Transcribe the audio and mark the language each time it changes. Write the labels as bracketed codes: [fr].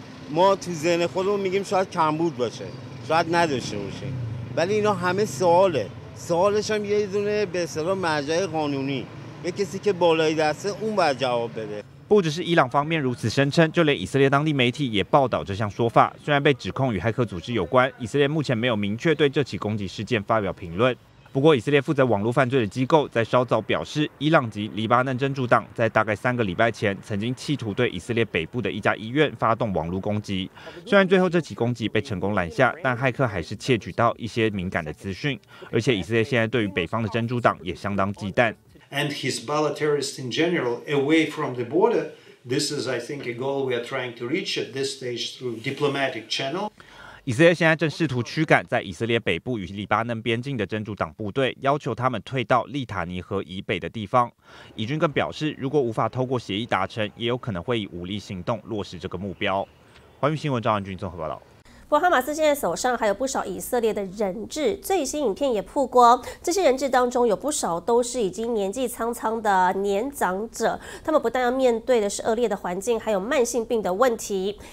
[fa] ما تو ذهن خودمون میگیم شاید کمبود باشه شاید نداشته باشه ولی اینا همه سواله سوالش هم یه دونه به اصطلاح مرجع قانونی یه کسی که بالای دسته اون باید جواب بده [zh] 不只是伊朗方面如此声称，就连以色列当地媒体也报道这项说法。虽然被指控与骇客组织有关，以色列目前没有明确对这起攻击事件发表评论。不过，以色列负责网络犯罪的机构在稍早表示，伊朗及黎巴嫩真主党在大概3个礼拜前曾经企图对以色列北部的一家医院发动网络攻击。虽然最后这起攻击被成功拦下，但骇客还是窃取到一些敏感的资讯。而且，以色列现在对于北方的真主党也相当忌惮。 [en] And Hezbollah terrorists in general away from the border. This is, I think, a goal we are trying to reach at this stage through diplomatic channel. [zh] 以色列现在正试图驱赶在以色列北部与黎巴嫩边境的真主党部队，要求他们退到利塔尼河以北的地方。以军更表示，如果无法透过协议达成，也有可能会以武力行动落实这个目标。环宇新闻张安君综合报道。不过哈马斯现在手上还有不少以色列的人质，最新影片也曝光，这些人质当中有不少都是已经年纪苍苍的年长者，他们不但要面对的是恶劣的环境，还有慢性病的问题。